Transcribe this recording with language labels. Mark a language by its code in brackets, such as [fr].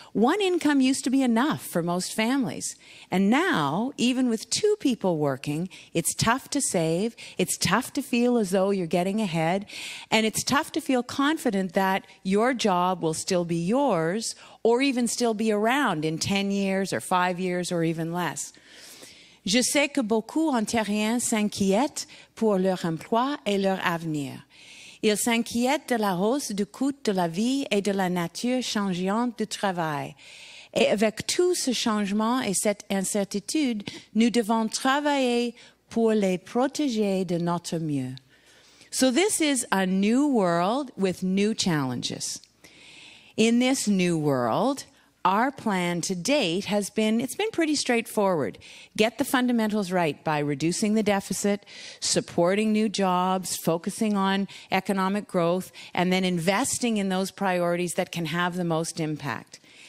[en] One income used to be enough for most families. And now, even with two people working, it's tough to save, it's tough to feel as though you're getting ahead, and it's tough to feel confident that your job will still be yours or even still be around in 10 years or 5 years or even less. [fr] Je sais que beaucoup d'Ontariens s'inquiètent pour leur emploi et leur avenir. Ils s'inquiètent de la hausse du coût de la vie et de la nature changeante du travail. Et avec tout ce changement et cette incertitude, nous devons travailler pour les protéger de notre mieux. [en] So this is a new world with new challenges. In this new world, our plan to date has been, it's been pretty straightforward. Get the fundamentals right by reducing the deficit, supporting new jobs, focusing on economic growth, and then investing in those priorities that can have the most impact.